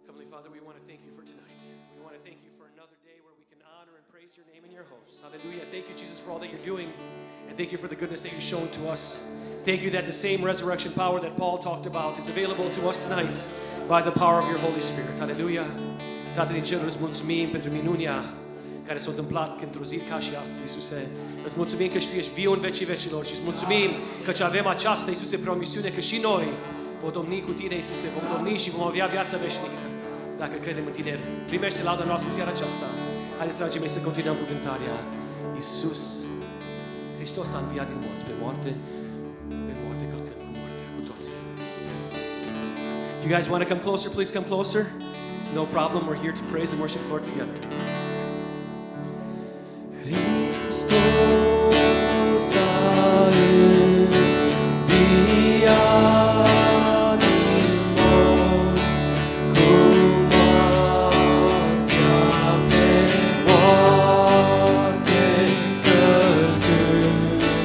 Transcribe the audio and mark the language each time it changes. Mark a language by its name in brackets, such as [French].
[English] Father, we want to thank you for tonight. We want to thank you for another day where we can honor and praise your name and your host. Hallelujah. Thank you, Jesus, for all that you're doing. And thank you for the goodness that you've shown to us. Thank you that the same resurrection power that Paul talked about is available to us tonight by the power of your Holy Spirit. Hallelujah. [Romanian] Tatăl din cer, îți mulțumim pentru minunea care s-a întâmplat într-o zi ca și astăzi, Iisuse. Îți mulțumim că tu ești viu în vecii vecilor și îți mulțumim că avem această, Iisuse, promisiune că și noi vom domni cu tine, Iisuse, vom domni și vom avea viața veșnică. Dacă credem în tine, primește lauda noastră seara aceasta. Haideți, dragii mei, să continuăm cu cântarea. Iisus Hristos a înviat din morți, pe moarte, pe moarte, călcând cu moartea, cu toții. [English] If you guys want to come closer, please come closer. It's no problem, we're here to praise and worship the Lord together. [Romanian] Hristos a înviat din morți, cu moartea pe moarte călcând.